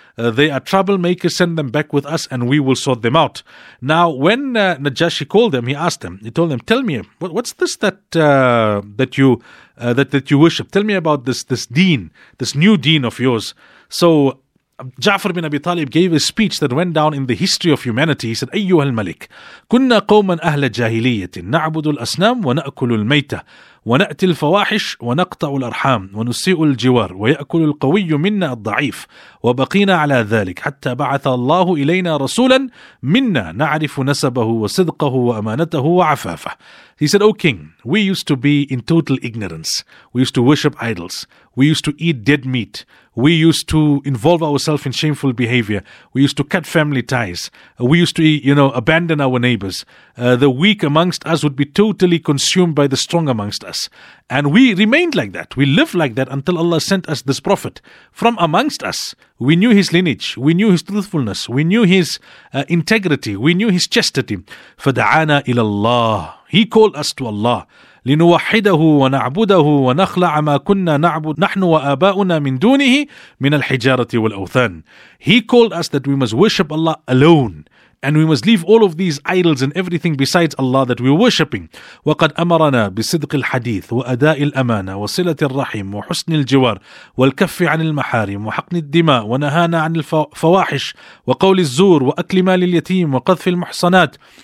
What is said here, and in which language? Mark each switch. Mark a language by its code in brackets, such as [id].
[en] They are troublemakers. Send them back with us and we will sort them out. Now, when Najashi called them, he asked them, he told them, tell me, what's this that you worship? Tell me about this deen, this new deen of yours. So Ja'far bin Abi Talib gave a speech that went down in the history of humanity. He said, [ar] أيها الملك كنا قوما أهل جاهلية نعبد الأسنام ونأكل الميتة ونأتي الفواحش ونقطع الأرحام ونسيء الجوار ويأكل القوي منا الضعيف وبقينا على ذلك حتى بعث الله إلينا رسولا منا نعرف نسبه وصدقه وأمانته وعفافه. [en] He said, O king, we used to be in total ignorance. We used to worship idols. We used to eat dead meat. We used to involve ourselves in shameful behavior. We used to cut family ties. We used to, abandon our neighbors. The weak amongst us would be totally consumed by the strong amongst us. And we remained like that. We lived like that until Allah sent us this prophet from amongst us. We knew his lineage. We knew his truthfulness. We knew his integrity. We knew his chastity. [ar] فَدَعَانَا إِلَى اللَّهِ. [en] He called us to Allah. [ar] لنوحده ونعبده ونخلع ما كنا نعبد نحن وآباؤنا من دونه من الحجارة والأوثان. [en] He called us that we must worship Allah alone, and we must leave all of these idols and everything besides Allah that we are worshipping. [ar] وَقَدْ أَمَرَنَا بِصِدْقِ الْحَدِيثِ وَأَدَاءِ الْأَمَانَةِ وَصِلَةِ الرَّحِيمِ وَحُسْنِ الْجِوَارِ وَالْكَفِّ عَنِ الْمَحَارِمِ وَحَقْنِ الدِّمَاءِ وَنَهَانَا عَنِ الْفَوَاحِشِ وَقَوْلِ الزُّورِ وَأَكْلِ مَالِ الْيَتِيمِ وَقَذْفِ الْمُحْصَنَاتِ.